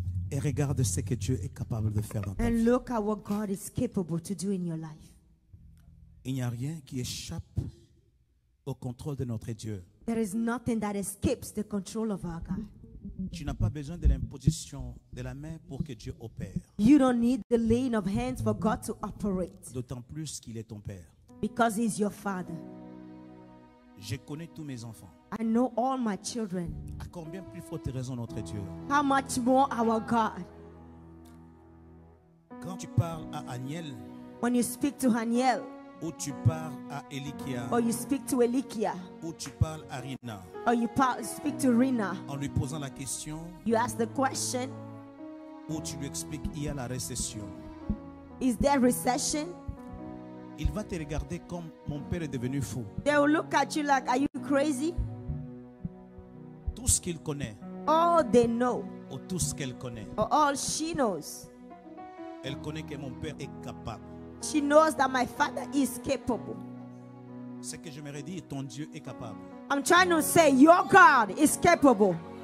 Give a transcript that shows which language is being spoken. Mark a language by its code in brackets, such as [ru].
[fr] Et regarde ce que Dieu est capable de faire dans ta vie. [en] And look at what God is capable to do in your life. [fr] Il n'y a rien qui échappe au contrôle de notre Dieu. [en] There is nothing that escapes the control of our God. [fr] Tu n'as pas besoin de l'imposition de la main pour que Dieu opère. [en] You don't need the laying of hands for God to operate. [fr] D'autant plus qu'il est ton père. [en] Because he's your father. [fr] Je connais tous mes enfants. [en] I know all my children. [fr] À combien plus forte raison notre Dieu. [en] How much more our God. [fr] Quand tu parles à Aniel. [en] When you speak to Aniel. [fr] Ou tu parles à Elikia. [en] Or you speak to Elikia. [fr] Ou tu parles à Rina. [en] Or you speak to Rina. [fr] En lui posant la question. [en] You ask the question. [fr] Ou tu lui expliques il y a la récession. [en] Is there recession? [fr] Il va te regarder comme mon père est devenu fou. [en] They will look at you like, are you crazy? [fr] Tout ce qu'il connaît. [en] All they know. [fr] Ou tout ce qu'elle connaît. [en] Or all she knows. [fr] Elle connaît que mon père est capable. [en] She knows that my father is capable. [fr] Ce que je me redis, ton Dieu est capable. [en] I'm trying to say your God is capable.